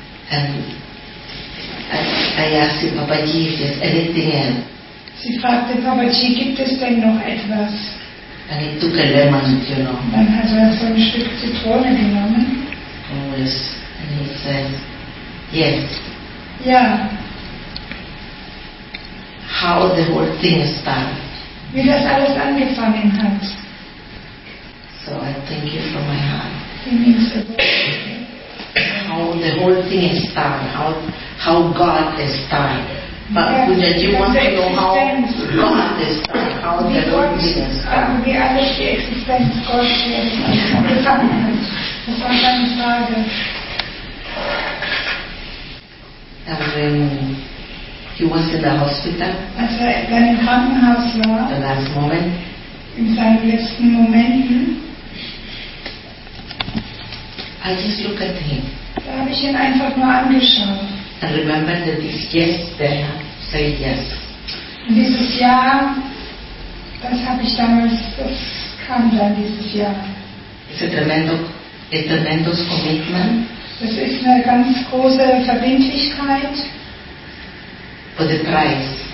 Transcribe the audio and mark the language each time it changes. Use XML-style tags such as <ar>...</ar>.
<en>And I ask him, Papaji, if there's anything else.</en> <de>Sie fragte, Papaji, gibt es denn noch etwas?</de> <en>And he took a lemon, you know.</en> <de>Dann hat er so ein Stück Zitrone genommen.</de> <en>Oh, yes. And he said, yes.</en> <de>Ja.</de> <en>How the whole thing started.</en> <de>Wie das alles angefangen hat.</de> <en>So I thank you from my heart. How the whole thing started. How God started. But yes, would you want to know how God started? How the whole thing started.</en> <de>Wie alles die Existenz Gottes angefangen hat. Das war deine Frage.</de> <en>He was in the hospital.</en> <de>Als er dann im Krankenhaus war.</de> <en>The last moment.</en> <de>In seinen letzten Momenten.</de> <en>I just look at him.</en> <de>Da habe ich ihn einfach nur angeschaut.</de> <en>And remember that this yes, they have said yes.</en> <de>Und dieses Jahr, das habe ich damals, das kam dann dieses Jahr.</de> <en>It's a tremendous commitment.</en> <de>Das ist eine ganz große Verbindlichkeit.</de> <en>For the price.</en>